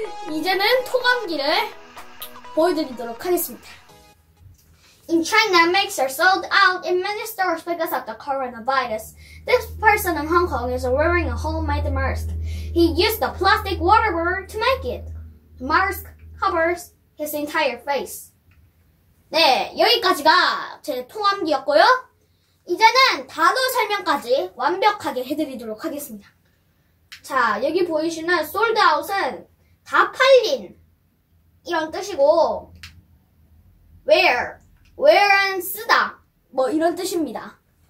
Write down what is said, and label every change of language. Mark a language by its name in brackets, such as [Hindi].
[Korean] 이제는 통합기를 보여드리도록 하겠습니다. [English] In China, masks are sold out in many stores because of the coronavirus. This person in Hong Kong is wearing a homemade mask. He used a plastic water bottle to make it. The mask covers his entire face. [Korean] 네, 여기까지가 제 통합기였고요. 이제는 단어 설명까지 완벽하게 해드리도록 하겠습니다. 자, 여기 보이시는 sold out은 다 팔린 이런 뜻이고 wear, wear은 쓰다 뭐 이런 뜻입니다.